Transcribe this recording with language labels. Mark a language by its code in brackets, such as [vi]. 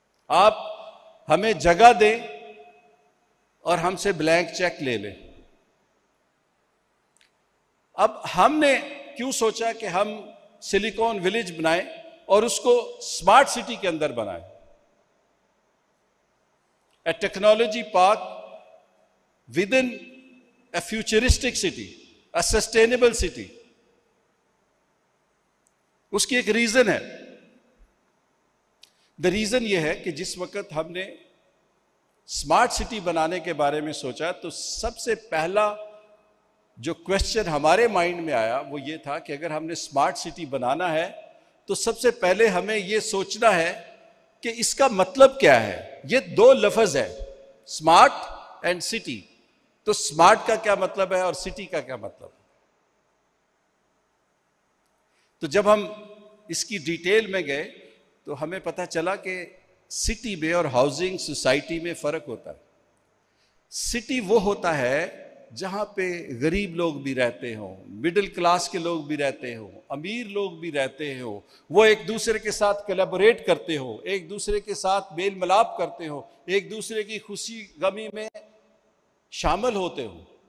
[hi] आप हमें जगह दें और हमसे ब्लैंक चेक ले लें. अब हमने क्यों सोचा कि हम सिलिकॉन विलेज बनाएं और उसको स्मार्ट सिटी के अंदर बनाएं? [en] A technology park within a futuristic city, a sustainable city. [hi] Uski ek reason hai. [en] The reason [hi] ye hai ki jis waqt humne smart city banane ke bare mein socha to sabse pehla jo question hamare mind mein aaya wo ye tha ki agar humne smart city banana hai to sabse pehle hame ye sochna hai ki iska matlab kya hai. Ye do lafz hai, smart and city. तो smart का क्या मतलब है और city का क्या मतलब है? तो जब हम इसकी डिटेल में गए तो हमें पता चला कि सिटी में और हाउसिंग सोसाइटी में फर्क होता है. सिटी वो होता है जहां पे गरीब लोग भी रहते हों, मिडिल क्लास के लोग भी रहते हों, अमीर लोग भी रहते हों, वो एक दूसरे के साथ कलेबोरेट करते हो, एक दूसरे के साथ मेल मिलाप करते हो, एक दूसरे की खुशी गमी में शामिल होते हो.